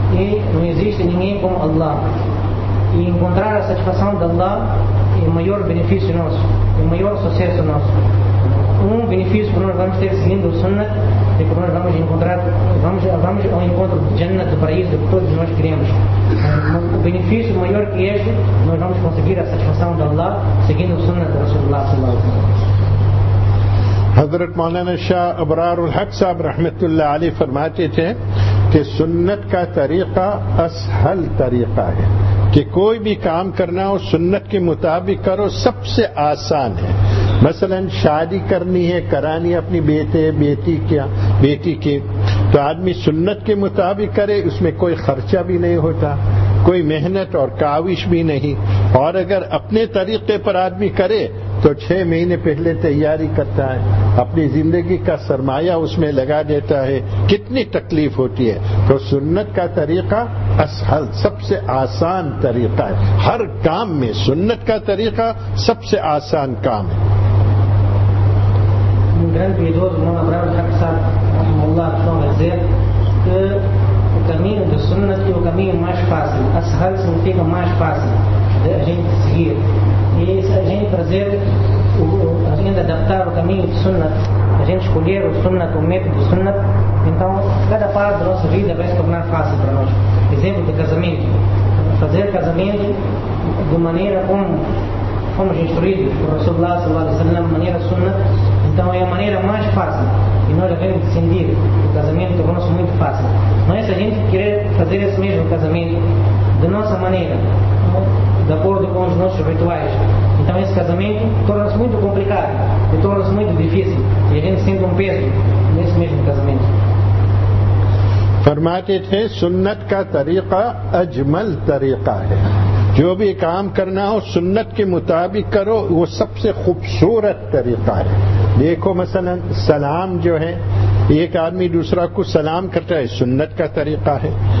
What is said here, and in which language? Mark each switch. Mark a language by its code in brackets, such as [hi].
[pt] E não existe ninguém como Allah. E encontrar a satisfação de Allah é o maior benefício nosso, é o maior sucesso nosso. Um benefício que nós vamos ter seguindo o Sunnah é que nós vamos encontrar, vamos ao encontro do Jannat, do paraíso, que todos nós queremos. O benefício maior que este, nós vamos conseguir a satisfação de Allah seguindo o Sunnah do Rasulullah sallallahu alaihi wasallam. [ur] حضرت مولانا شاہ ابرار الحق صاحب رحمت اللہ علیہ فرماتے تھے کہ سنت کا طریقہ اسہل طریقہ ہے, کہ کوئی بھی کام کرنا ہو سنت کے مطابق کرو, سب سے آسان ہے. مثلا شادی کرنی ہے, کرانی اپنی بیٹی کی, تو آدمی سنت کے مطابق کرے, اس میں کوئی خرچہ بھی نہیں ہوتا, کوئی محنت اور کاوش بھی نہیں. اور اگر اپنے طریقے پر آدمی کرے تو 6 مہینے پہلے تیاری کرتا ہے, اپنی زندگی کا سرمایہ اس میں لگا دیتا ہے, کتنی تکلیف ہوتی ہے. تو سنت کا طریقہ اسہل, سب سے آسان طریقہ ہے. ہر کام میں سنت کا طریقہ سب سے آسان کام ہے. [pt] Caminho de Sunnah é o caminho mais fácil. Asahal significa mais fácil de a gente seguir. E se a gente trazer, a gente adaptar o caminho de Sunnah, a gente escolher o Sunnah, o método de Sunnah, então cada parte da nossa vida vai se tornar fácil para nós. Exemplo de casamento. Fazer casamento de maneira como fomos instruídos por Rasulullah sallallahu alaihi wasallam, de maneira Sunnah, então é a maneira mais fácil. E nós devemos sentir que o casamento tornou-se muito fácil. Mas se a gente querer fazer esse mesmo casamento de nossa maneira, de acordo com os nossos rituais, então esse casamento torna-se muito complicado e torna-se muito difícil. E a gente sente um peso nesse mesmo casamento. [ur] فرماتے تھے سنت کا طریقہ اجمل طریقہ ہے, جو بھی کام کرنا ہو سنت کے مطابق کرو, وہ سب سے خوبصورت طریقہ ہے. دیکھو مثلا سلام جو ہے, ایک آدمی دوسرا کو سلام کرتا ہے, سنت کا طریقہ ہے.